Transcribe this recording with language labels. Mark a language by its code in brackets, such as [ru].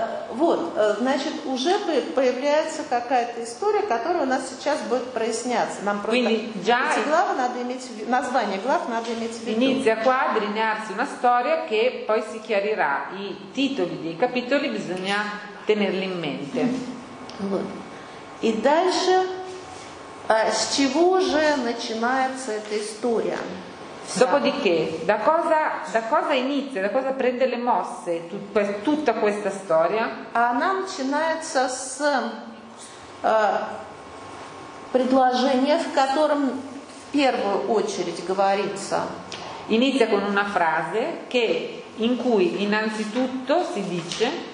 [ru] Вот, значит, уже появляется какая-то история, которая у нас сейчас будет проясняться. Нам просто эти главы надо иметь, название глав надо иметь в виду. [it] Inizia qua a delinearsi una storia che poi si chiarirà. I titoli dei capitoli bisogna tenerli in mente. [ru] Вот. И дальше, с чего же начинается эта история? [it] Dopodiché, da cosa inizia, da cosa prende le mosse tutta questa storia? [ru] Она начинается с предложения, в котором в первую очередь говорится. [it] Inizia con una frase che, in cui innanzitutto si dice